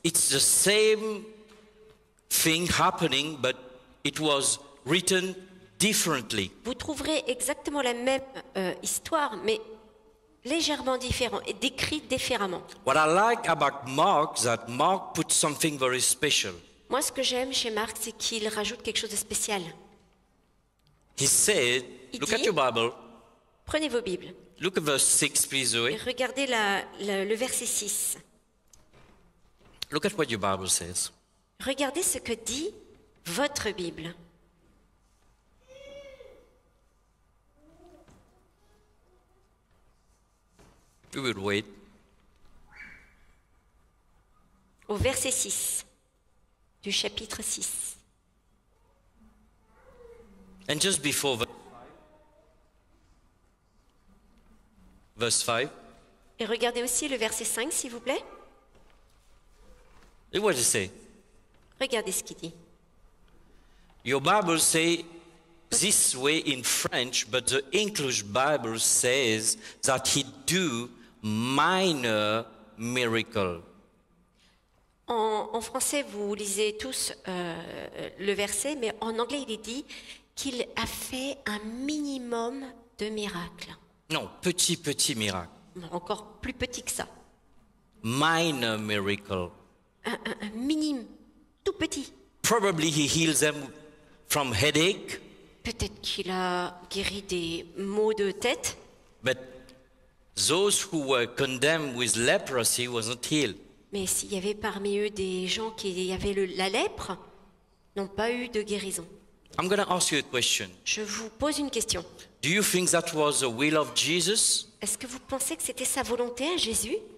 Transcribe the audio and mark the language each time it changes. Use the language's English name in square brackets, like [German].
[English] it's the same thing happening, but it was written differently. [French] Vous trouverez exactement la même histoire, mais légèrement différent et décrit différemment. [English] What I like about Mark is that Mark put something very special. [French] Moi, ce que j'aime chez Marc, c'est qu'il rajoute quelque chose de spécial. [English] He said, [French] il [English] look [French] dit, [English] at your Bible. [French] Prenez vos Bibles. [English] Look at verse 6, please, Zoe. [French] Et regardez le verset 6. [English] Look at what your Bible says. [French] Regardez ce que dit votre Bible. [English] We will wait. [French] Au verset 6. Du chapitre 6. [English] And just before verse 5. [French] Et regardez aussi le verset 5, s'il vous plaît. [English] Et what does it say? [French] Regardez ce qu'il dit. [English] Your Bible says this way in French, but the English Bible says that he do minor miracle. [French] En français, vous lisez tous le verset, mais en anglais, il est dit qu'il a fait un minimum de miracles. Non, petit miracle. Encore plus petit que ça. [English] Minor miracle. [French] Un minime, tout petit. [English] Probably he heals them from headache. [French] Peut-être qu'il a guéri des maux de tête. [English] But those who were condemned with leprosy wasn't healed. [French] Mais s'il y avait parmi eux des gens qui avaient la lèpre, n'ont pas eu de guérison. [English] I'm going to ask you a question. [French] Je vous pose une question. [English] Do you think that was the will of Jesus? [French] Est-ce que vous pensez que c'était sa volonté à Jésus?